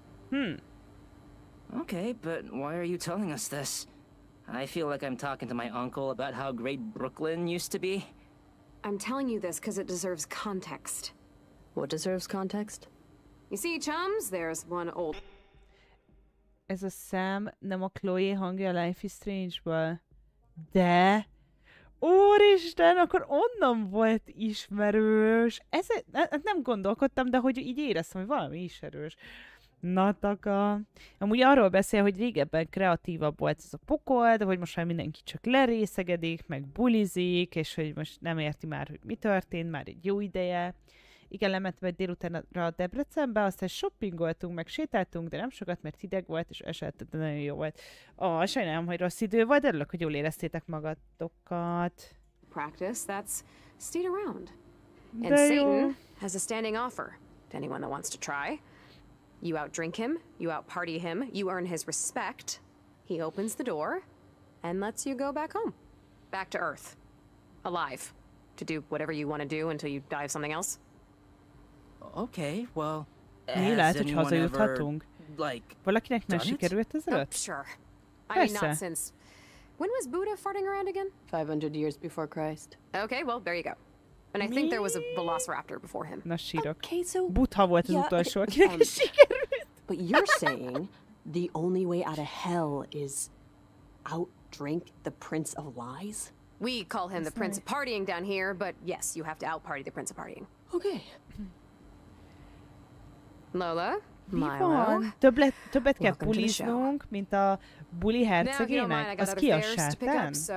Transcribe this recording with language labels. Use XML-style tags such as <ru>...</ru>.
<en>Hmm. Okay, but why are you telling us this? I feel like I'm talking to my uncle about how great Brooklyn used to be. I'm telling you this because it deserves context. What deserves context? You see, chums, there's one old...</en> <hu>Ez a Sam nem a Chloe hangja Life is Strange-ből. De... Úristen, akkor onnan volt ismerős. Ez nem gondolkodtam, de hogy így éreztem, hogy valami is erős. Na taka. Amúgy arról beszél, hogy régebben kreatívabb volt ez a pokol, de hogy most már mindenki csak lerészegedik, meg bulizik, és hogy most nem érti már, hogy mi történt, már egy jó ideje. Igen, lementem egy délutánra a Debrecenbe, aztán shoppingoltunk, meg sétáltunk, de nem sokat, mert hideg volt, és esett, de nagyon jó volt. Ó, sajnálom, hogy rossz idő volt, de örülök, hogy jól éreztétek magatokat.</hu> <en>Practice, that's stayed around. And Satan has a standing offer to anyone that wants to try. You outdrink him, you outparty him, you earn his respect. He opens the door and lets you go back home. Back to Earth. Alive. To do whatever you want to do until you die of something else. Okay, well, has anyone ever, like, done it? Oh, sure. I mean, not since. When was Buddha farting around again? 500 years before Christ. Okay, well, there you go. And I think there was a velociraptor before him.</en> <hu>Na, sírok.</hu> <en>Okay, so...</en> <hu>Buta volt az utolsó, akinek is sikerült.</hu> <en>But you're saying the only way out of hell is outdrink the Prince of Lies? We call him the Prince of Partying down here, but yes, you have to outparty the Prince of Partying. Okay. Lola?</en> <hu>Mi van? Többet kell buliznunk, mint a buli hercegének? Az ki a sátán?</hu>